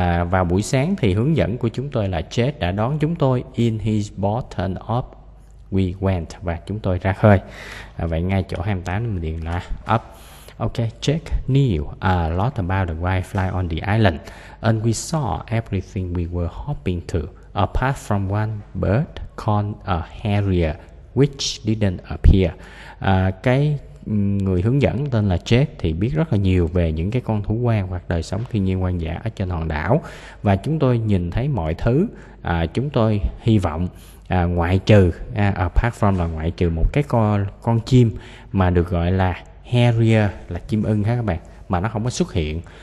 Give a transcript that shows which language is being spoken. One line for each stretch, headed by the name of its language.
Vietnamese: Vào buổi sáng thì hướng dẫn của chúng tôi là Chet đã đón chúng tôi.
English: In his boat and up we went,
Vietnamese: và chúng tôi ra khơi. Vậy ngay chỗ 28 mình điền là up.
English: Ok, Chet knew a lot about the wildlife on the island, and we saw everything we were hoping to, apart from one bird called a harrier, which didn't appear.
Vietnamese: Cái người hướng dẫn tên là Jake thì biết rất là nhiều về những cái con thú hoang hoặc đời sống thiên nhiên hoang dã ở trên hòn đảo, và chúng tôi nhìn thấy mọi thứ chúng tôi hy vọng, ngoại trừ apart from, là ngoại trừ một cái con chim mà được gọi là harrier, là chim ưng ha các bạn, mà nó không có xuất hiện.